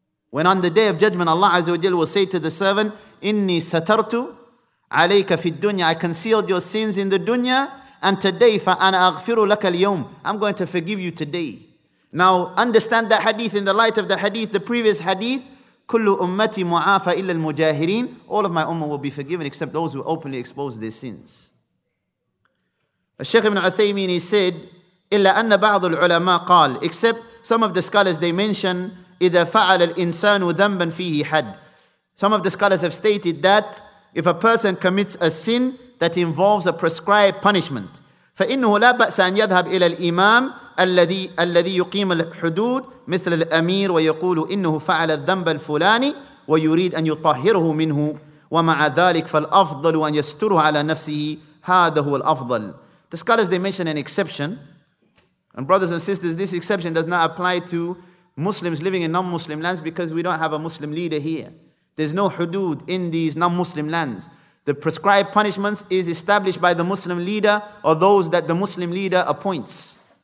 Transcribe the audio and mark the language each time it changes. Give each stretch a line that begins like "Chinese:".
English: When on the day of judgment, Allah Azza wa Jal will say to the servant,
Arabic: إِنِّي سَتَرْتُ عَلَيْكَ فِي الدُّنْيَا
English: I concealed your sins in the dunya, and today
Arabic: فَأَنَا أَغْفِرُ لَكَ الْيَوْمَ
English: I'm going to forgive you today. Now understand that hadith in the light of the hadith, the previous hadith,
Arabic: كُلُّ أُمَّتِي مُعَافَ إِلَّا الْمُجَاهِرِينَ
English: All of my ummah will be forgiven except those who openly expose their sins. Shaykh ibn Uthaymeen, he said,
Arabic: إِلَّا أَنَّ بَعْضُ الْعُلَمَاءِ قَالْ
English: Except some of the scholars, they mention,
Arabic: إِذَا فَعَلَ الْإِنسَانُ ذَنْبًا فِيهِ حَدْ
English: Some of the scholars have stated that if a person commits a sin that involves a prescribed punishment,
Arabic: فَإِنُّهُ لَا بَأْسَ أَنْ يَذْهَبْ إِلَى الْإِمَامِ الذي يقيم الحدود مثل الأمير ويقول إنه فعل الذنب الفلاني ويريد أن يطهره منه ومع ذلك فالأفضل أن يستره على نفسه هذا هو الأفضل.
English: The scholars they mention an exception, and brothers and sisters, this exception does not apply to Muslims living in non-Muslim lands because we don't have a Muslim leader here. There's no hudud in these non-Muslim lands. The prescribed punishments is established by the Muslim leader or those that the Muslim leader appoints.